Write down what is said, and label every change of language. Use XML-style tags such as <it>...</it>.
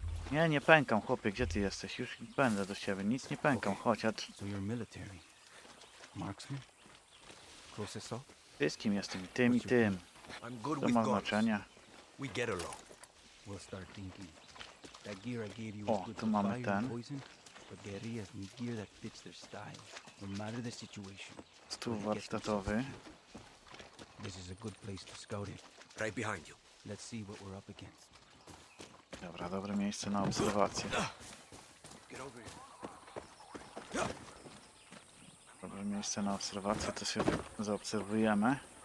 <pl>Nie pękam, chłopie, gdzie ty jesteś? Już będę do ciebie, nic nie pękam, chociaż...</pl> <en>So you're military. Marksman? Close us up?</en> <pl>Wszystkim jestem, tym i tym.</pl> <en>I'm good</en> <pl>to ma znaczenie.</pl> <en>We get along. We'll start thinking. That gear I gave you was good for fire and poison, but guerrillas need gear that fits their style, no matter the situation.</en> <pl>Stół warsztatowy.</pl> <en>This is a good place to scout it. Right behind you. Let's see what we're up against.</en> <pl>Dobra, dobre miejsce na obserwację. Dobre miejsce na obserwację, to się zaobserwujemy.</pl>